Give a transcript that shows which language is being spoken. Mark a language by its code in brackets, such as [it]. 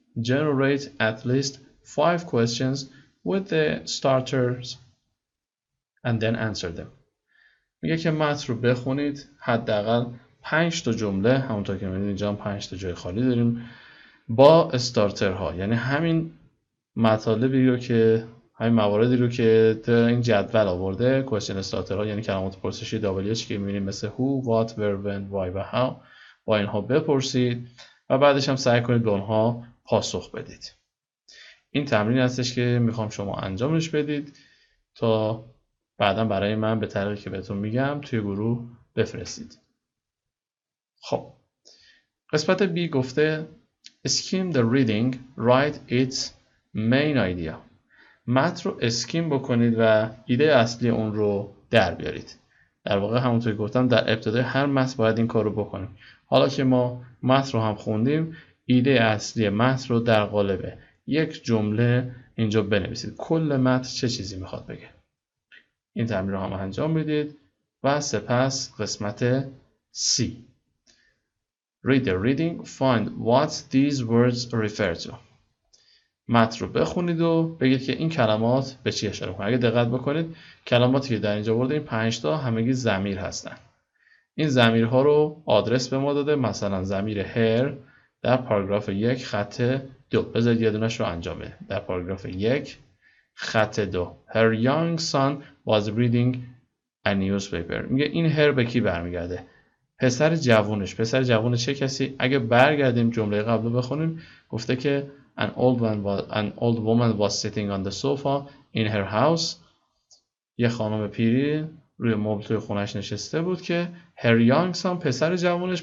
[en] Generate at least 5 questions with the starters and then answer them. [fa] میگه که متن رو بخونید، حداقل 5 تا جمله، همونطور که می‌بینید اینجا 5 تا جای خالی داریم، با استارترها، یعنی همین مطالبی رو که همین مواردی رو که در این جدول آورده، question starter ها یعنی کلمات پرسشی WH که می‌بینیم مثل who, what, where, when, why و how، با اینها بپرسید و بعدش هم سعی کنید به اونها پاسخ بدید. این تمرین هستش که میخوام شما انجامش بدید تا بعدا برای من به طریقی که بهتون میگم توی گروه بفرستید. خب قسمت B گفته [en] skim the reading, write its main idea. [fa] مت رو اسکیم بکنید و ایده اصلی اون رو در بیارید. در واقع همونطور گفتم در ابتدای هر مت باید این کار رو بکنیم. حالا که ما مت رو هم خوندیم، ایده اصلی مت رو در قالب یک جمله اینجا بنویسید. کل مت چه چیزی میخواد بگه؟ این تمرین رو هم انجام میدید و سپس قسمت C. [en] Read the reading. Find what these words refer to. [fa] متن رو بخونید و بگید که این کلمات به چی اشاره می‌کنه. اگه دقت بکنید کلماتی که در اینجا آورده این 5 تا همگی ضمیر هستن. این ضمیرها رو آدرس به ما داده، مثلا ضمیر هر در پاراگراف 1 خط 2. بذارید یه دونه شو انجام بده. در پاراگراف 1 خط 2 [en] Her young son was reading a newspaper. [fa] میگه این هر به کی برمیگرده؟ پسر جوونش. پسر جوون چه کسی؟ اگه برگردیم جمله قبلو بخونیم، گفته که [en] An old woman was sitting on the sofa in her house. [fa] یه خانم پیری روی مبل توی خونش نشسته بود که [en] her young son [fa] پسر جوانش.